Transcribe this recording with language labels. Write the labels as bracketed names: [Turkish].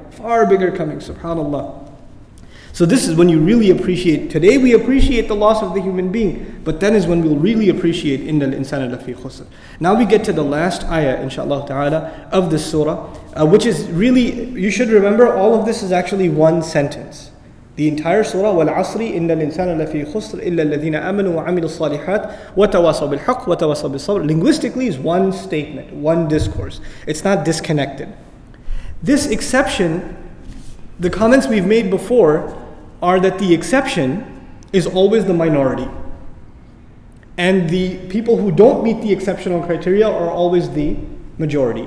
[English] Far bigger coming, subhanAllah. So this is when you really appreciate. Today we appreciate the loss of the human being, but then is when we'll really appreciate [Arabic] إِنَّ الْإِنسَانَ لَفِي خُسْرٍ. [English] Now we get to the last ayah, inshaAllah ta'ala, of this surah, which is really, you should remember, all of this is actually one sentence. The entire surah, [Arabic] وَالْعَصْرِ إِنَّ الْإِنسَانَ لَفِي خُسْرٍ إِلَّا الَّذِينَ آمَنُوا وَعَمِلُوا الصَّالِحَاتِ وَتَوَاصَوْا بِالْحَقِّ وَتَوَاصَوْا بِالصَّبْرِ. [English] Linguistically is one statement, one discourse. It's not disconnected. This exception, the comments we've made before are that the exception is always the minority. And the people who don't meet the exceptional criteria are always the majority.